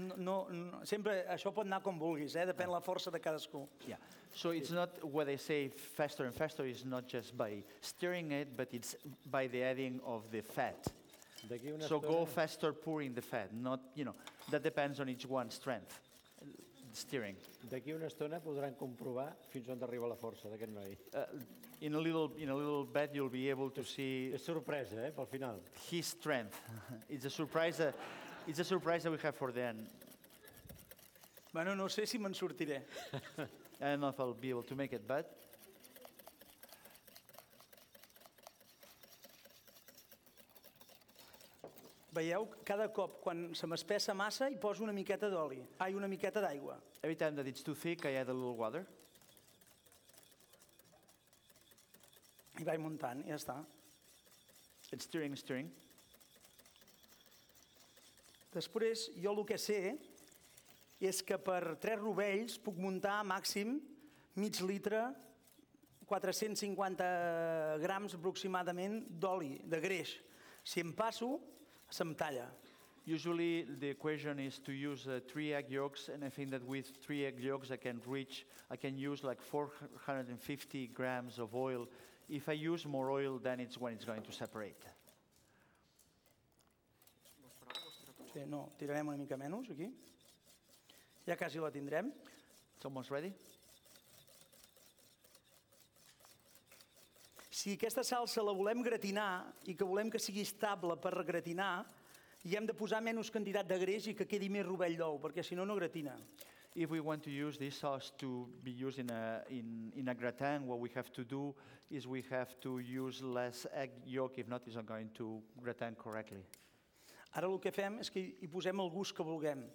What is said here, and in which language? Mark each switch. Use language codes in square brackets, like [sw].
[ca] No, sempre això pot anar com vulguis, depèn la força de cadascú. [en] Yeah. So it's not what they say faster and faster is not just by stirring it, but it's by the adding of the fat. Go faster pouring the fat, not, you know, that depends on each one's strength. Steering. [ca] D'aquí una estona podran comprovar fins on arriba la força d'aquest noi. [en] In a little bit you'll be able to see. [ca] És sorpresa, pel final. [en] His strength. It's a surprise that we have for the end. [ca] Bueno, no sé si me'n sortiré. [en] I don't know if I'll be able to make it, but. [ca] Veieu, cada cop quan se m'espessa massa hi poso una miqueta d'oli. Ai, una miqueta d'aigua. [en] Every time that it's too thick, I add a little water. [ca] I vaig muntant, ja està. [en] It's stirring, stirring. [ca] Després, jo el que sé és que per 3 rovells puc muntar màxim mig litre, 450 grams aproximadament d'oli, de greix. Si em passo, se'm talla. [en] Usually the equation is to use 3 egg yolks, and I think that with 3 egg yolks I can use like 450 grams of oil if I use more oil, then it's when it's going to separate. [ca] Sí, no, tirarem una mica menys aquí. Ja quasi la tindrem. [en] It's almost ready. [ca] Si aquesta salsa la volem gratinar I que volem que sigui estable per gratinar, hi hem de posar menys quantitat de greix I que quedi més rovell d'ou, perquè si no, no gratina. [en] If we want to use this sauce to be used in a gratin, what we have to do is we have to use less egg yolk, if not, it's not going to gratin correctly. [ca] Ara el que fem és que hi posem el gust que vulguem.